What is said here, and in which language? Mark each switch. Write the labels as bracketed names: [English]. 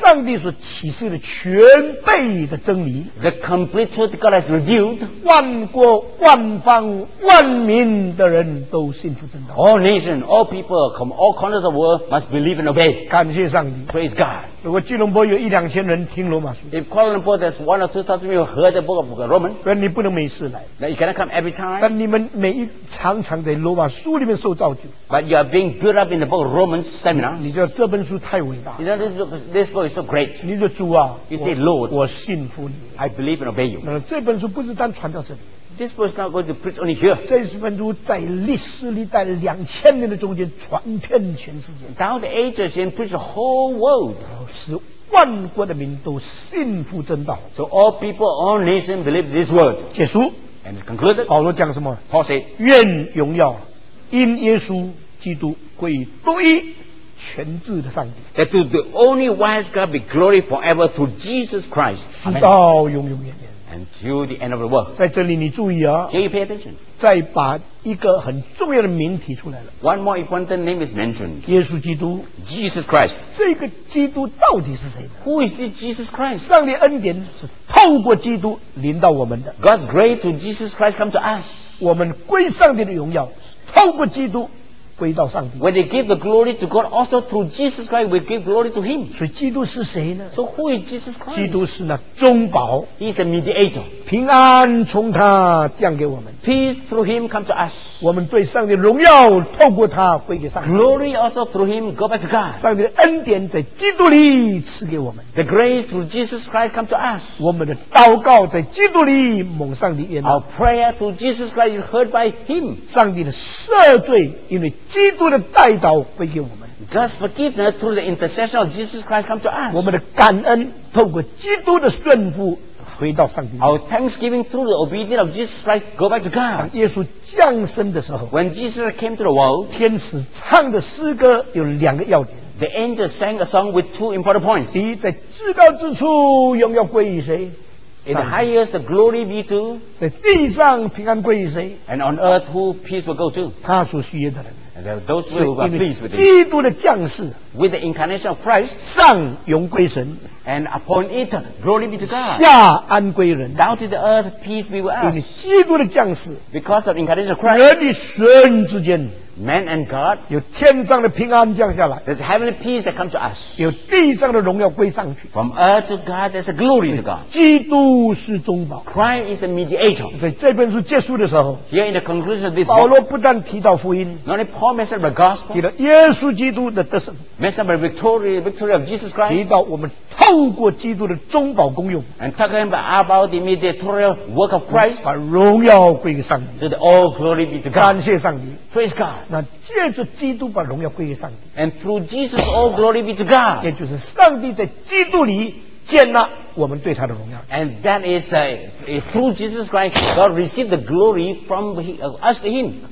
[Chinese] 上帝所启示的全备的真理。 [English] The complete truth God has revealed. [Chinese] 万国、万邦、万民的人都信服真道。 [English] All nations, all people from all corners of the world must believe and obey. [Chinese] 感谢上帝。 [English] Praise God. [Chinese] 如果吉隆坡有一两千人听罗马书。 [English] If Kuala Lumpur, there's one or two thousand people heard the book of Romans. [Chinese] 所以你不能每次来。 [English] Now you cannot come every time. [Chinese] 但你们每一常常在罗马书里面受造就。 [English] But you are being built up in the book of Romans seminar. [Chinese] 你知道这本书太伟大。 [English] You know this book is so great. [Chinese] 你的主啊。 [English] You say, Lord. [Chinese] 我信服你。 [English] I believe and obey you. [Chinese] 那这本书不是单传到这里。 [English] This book is not going to preach only here. [Chinese] 这本书在历史历代两千年的中间传遍全世界。 [English] Down the ages and preach the whole world. [Chinese] 是万国的民都信服真道。 [English] So all people, all nations believe this word. [Chinese] 结束。 [English] And it's concluded. [Chinese] 保罗讲什么 [English] ？Paul said, [Chinese] 愿荣耀因耶稣基督归于独一全智的上帝。 [English] That to the only wise God be glory forever through Jesus Christ. [Chinese] 直到永永远远。 [English] until the end of the world. [Chinese] 在这里你注意啊。 [English] Can you pay attention? [Chinese] 再把一个很重要的名提出来了。 [English] One more important name is mentioned. [Chinese] 耶稣基督。 [English] Jesus Christ. [Chinese] 这个基督到底是谁呢？ [English] Who is this Jesus Christ? [Chinese] 上帝恩典是透过基督临到我们的。 [English] God's grace to Jesus Christ come to us. [Chinese] 我们归上帝的荣耀透过基督归到上帝。 [English] When they give the glory to God, also through Jesus Christ, we give glory to Him. [Chinese] 所以基督是谁呢？ [English] So who is Jesus Christ? [Chinese] 基督是那中保。 [English] He is the mediator. [Chinese] 平安从他降给我们。 [English] Peace through Him come to us. [Chinese] 我们对上帝荣耀透过他归给上帝。 [English] Glory also through Him go back to God. [Chinese] 上帝的恩典在基督里赐给我们。 [English] The grace through Jesus Christ come to us. [Chinese] 我们的祷告在基督里蒙上帝悦纳。 [English] Our prayer through Jesus Christ is heard by Him. [Chinese] 上帝的赦罪因为基督的代祷归给我们。 [English] God's forgiveness through the intercession of Jesus Christ come to us. [Chinese] 我们的感恩透过基督的顺服回到上帝。 [English] Our thanksgiving through the obedience of Jesus Christ go back to God. [Chinese] 当耶稣降生的时候 [English] ，When Jesus came to the world， [Chinese] 天使唱的诗歌有两个要点。 [English] The angel sang a song with two important points. [Chinese] 第一，在至高之处荣耀归于谁？ [English] In the highest, the glory be to. [Chinese] 在地上平安归于谁 [English] ？And on earth, who peace will go to? [Chinese] 他所需要的人。 [English] And those who are pleased with him. [Chinese] 基督的降世 [English] ，with the incarnation of Christ, [Chinese] 上荣归神 [English] ，and upon it, glory be to God. [Chinese] 下安归人 [English] ，down to the earth, peace be with us. [Chinese] 因为基督的降世 [English] ，because of the incarnation of Christ. [Chinese] 人与神之间 [English] ，man and God. [Chinese] 有天上的平安降下来 [English] ，there's heavenly peace that come to us. [Chinese] 有地上的荣耀归上去 [English] ，from earth to God, there's a glory to God. [Chinese] 基督是中保 [English] ，Christ is the mediator. [Chinese] 在这本书结束的时候 [English] ，here in the conclusion of this, [Chinese] 保罗不但提到福音 [English] ，not only Paul mentioned the gospel, [Chinese] 提到耶稣基督的得胜 [English] ，mentioned the victory of Jesus Christ. [Chinese] 提到我们透过基督的中保功用 [English] ，and talking about the mediatorial work of Christ, [Chinese] 把荣耀归给上帝 [English] ，so that all glory be to God. [Chinese] 感谢上帝 [English] ，praise God. [Chinese] 那借着基督把荣耀归给上帝 [English] ，and through Jesus all glory be to God. [Chinese] 也就是上帝在基督里见了我们对他的荣耀 [English] ，and that is through Jesus Christ God received the glory from us to Him.